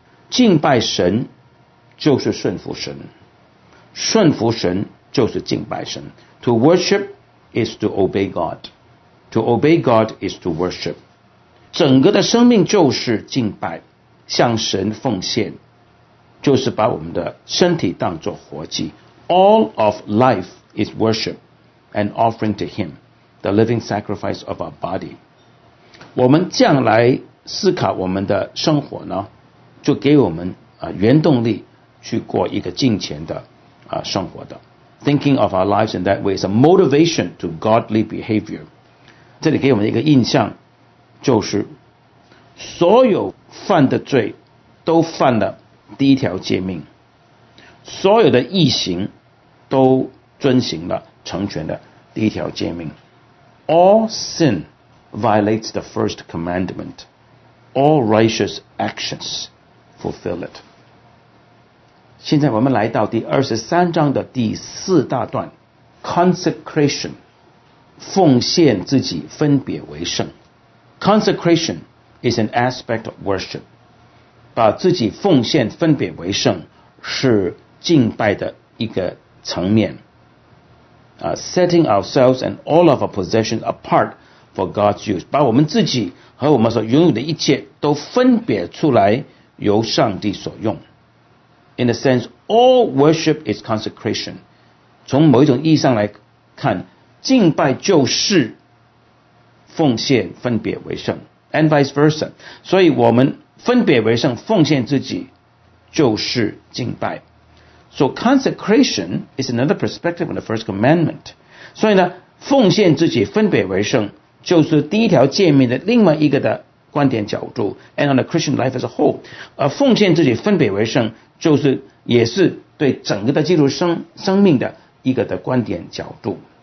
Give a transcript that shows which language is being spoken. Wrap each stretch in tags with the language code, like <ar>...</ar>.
<zh>敬拜神就是顺服神，顺服神就是敬拜神。</zh> <en>To worship is to obey God. To obey God is to worship.</en> <zh>整个的生命就是敬拜，向神奉献，就是把我们的身体当作活祭。</zh> <en>All of life is worship and offering to Him. The living sacrifice of our body.</en> <zh>我们将来思考我们的生活呢，就给我们原动力去过一个敬虔的生活的。</zh> <en>Thinking of our lives in that way is a motivation to godly behavior.</en> <zh>这里给我们一个印象，就是所有犯的罪都犯了第一条诫命，所有的义行都遵行了成全的第一条诫命。</zh> <en>All sin violates the first commandment. All righteous actions fulfill it.</en> <zh>现在我们来到第二十三章的第四大段 ,consecration, 奉献自己分别为圣。</zh> <en>Consecration is an aspect of worship.</en> <zh>把自己奉献分别为圣是敬拜的一个层面。</zh> <en>Setting ourselves and all of our possessions apart for God's use.</en> <zh>把我们自己和我们所拥有的一切都分别出来由上帝所用。</zh> <en>In a sense, all worship is consecration.</en> <zh>从某一种意义上来看，敬拜就是奉献分别为圣。</zh> <en>And vice versa.</en> <zh>所以我们分别为圣，奉献自己就是敬拜。</zh> <en>So consecration is another perspective on the first commandment.</en> <zh>所以呢，奉献自己分别为圣就是第一条诫命的另外一个的观点角度。</zh> <en>And on the Christian life as a whole,</en> <zh>奉献自己分别为圣就是也是对整个的基督生命的一个的观点角度。</zh>